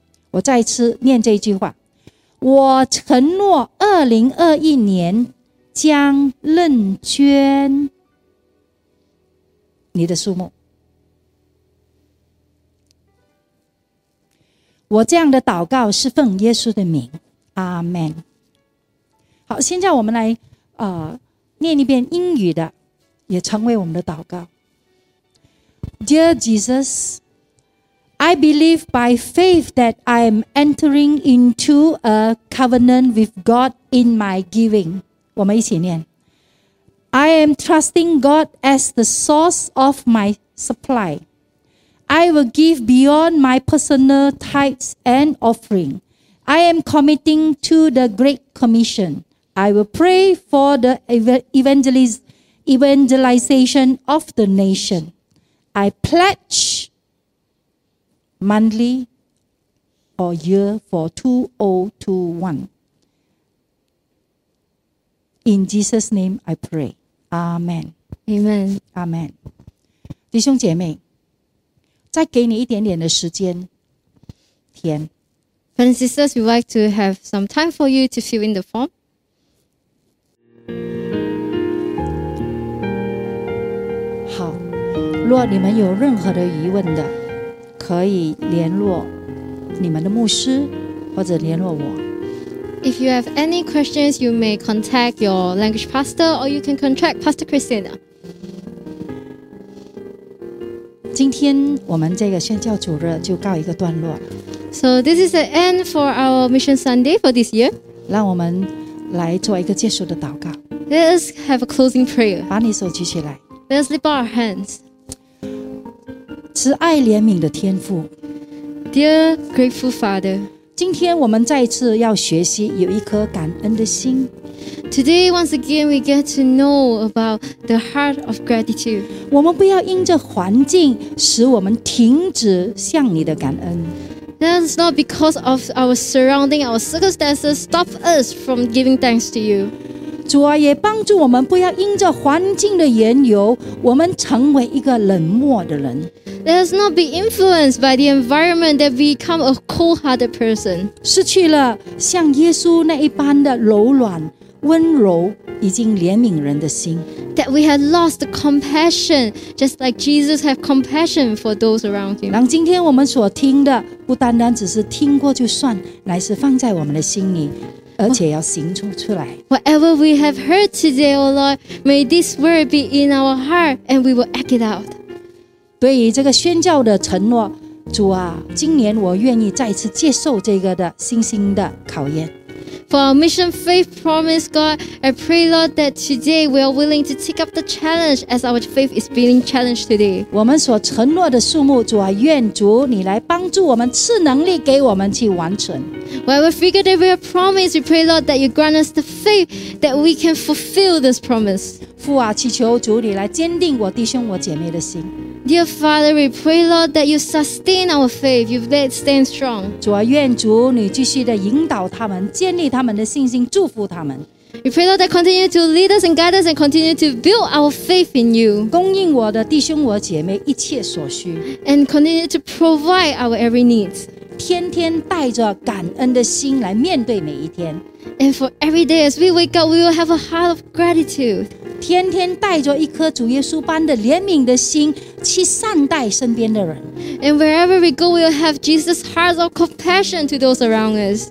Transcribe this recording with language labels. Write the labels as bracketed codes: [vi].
[zh] 我再一次念这一句话，我承诺2021年将论捐你的数目。我这样的祷告是奉耶稣的名，阿们。好，现在我们来念一遍英语的，也成为我们的祷告。 [en] Dear Jesus, I believe by faith that I am entering into a covenant with God in my giving. [zh] 我们一起念。 [en] I am trusting God as the source of my supply. I will give beyond my personal tithes and offering. I am committing to the Great Commission. I will pray for the evangelization of the nation. I pledge monthly or year for 2021. In Jesus' name I pray. Amen. Amen. Amen. [zh] 弟兄姐妹，再给你一点点的时间填。 [en] Friends and sisters, we'd like to have some time for you to fill in the form. [zh] 好，若你们有任何的疑问的，可以联络你们的牧师或者联络我。 [en] If you have any questions, you may contact your language pastor or you can contact Pastor Christina. [zh] 今天我们这个宣教主日就告一个段落。 [en] So this is the end for our Mission Sunday for this year. [zh] 让我们来做一个结束的祷告。 [en] Let us have a closing prayer. [zh] 把你手举起来。 [en] Let us lift our hands. [zh] 慈爱怜悯的天父。 [en] Dear grateful Father. [zh] 今天我们再一次要学习有一颗感恩的心。 [en] Today, once again, we get to know about the heart of gratitude. [zh] 我们不要因着环境使我们停止向你的感恩。 [en] That's not because of our surrounding, our circumstances stop us from giving thanks to you. [zh] 主啊，也帮助我们不要因着环境的缘由，我们成为一个冷漠的人。 [en] Let's not be influenced by the environment that we become a cold-hearted person. [zh] 失去了像耶稣那一般的柔软、温柔以及怜悯人的心。 [en] That we have lost the compassion, just like Jesus had compassion for those around him. [zh] 让今天我们所听的不单单只是听过就算，乃是放在我们的心里，而且要行出出来。 [en] Whatever we have heard today, O Lord, may this word be in our heart, and we will act it out. [zh] 对于这个宣教的承诺，主啊，今年我愿意再次接受这个的信心的考验。 [en] For our mission faith promise, God, I pray, Lord, that today we are willing to take up the challenge as our faith is being challenged today. [zh] 我们所承诺的数目，主啊，愿主你来帮助我们，赐能力给我们去完成。 [en] Whatever figure that we have promised, we pray, Lord, that you grant us the faith that we can fulfill this promise. [zh] 父啊，祈求主你来坚定我弟兄我姐妹的心。 [en] Dear Father, we pray, Lord, that you sustain our faith, you let it stand strong. [zh] 主啊，愿主你继续的引导他们，建立他们的信心，祝福他们。 [en] We pray, Lord, that continue to lead us and guide us and continue to build our faith in you. [zh] 供应我的弟兄我姐妹一切所需。 [en] And continue to provide our every needs. [zh] 天天带着感恩的心来面对每一天。 [en] And for every day as we wake up, we will have a heart of gratitude. [zh] 天天带着一颗主耶稣般的怜悯的心去善待身边的人。 [en] And wherever we go, we will have Jesus' heart of compassion to those around us.